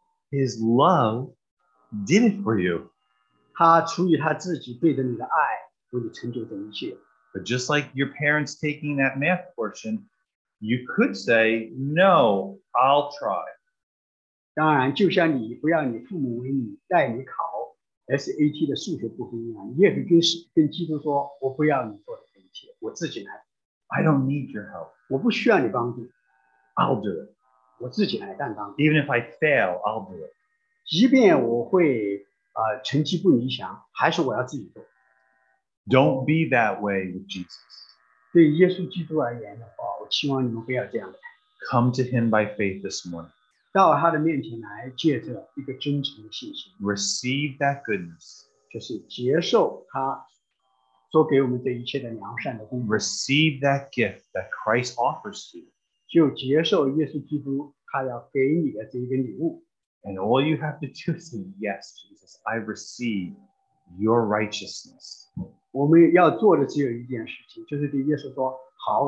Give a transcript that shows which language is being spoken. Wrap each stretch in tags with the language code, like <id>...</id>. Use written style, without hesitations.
<en>His love did it for you.</en> <zh>他出于他自己对着你的爱为你成就这一切。</zh> <en>But just like your parents taking that math portion, you could say, no, I'll try.</en> <zh>当然就像你不要你父母为你带你考。SAT 的数学部分一样，你也可以跟基督说：“我不要你做的这一切，我自己来。</zh> <en>”I don't need your help.</en> <zh>我不需要你帮助。</zh> <en>I'll do it.</en> <zh>我自己来担当。</zh> <en>Even if I fail, I'll do it.</en> <zh>即便我会成绩不理想，还是我要自己做。</zh> <en>Don't be that way with Jesus.</en> <zh>对耶稣基督而言的话，我希望你们不要这样的。</zh> <en>Come to Him by faith this morning.</en> <zh>到他的面前来，借着一个真诚的信心</zh> <en>，receive that goodness，</en> <zh>就是接受他所给我们这一切的良善的供应</zh> <en>，receive that gift that Christ offers to you，</en> <zh>就接受耶稣基督他要给你的这一个礼物。</zh> <en>And all you have to do is say, yes, Jesus, I receive your righteousness。</en> <zh>我们要做的只有一件事情，就是对耶稣说：“好。”</zh>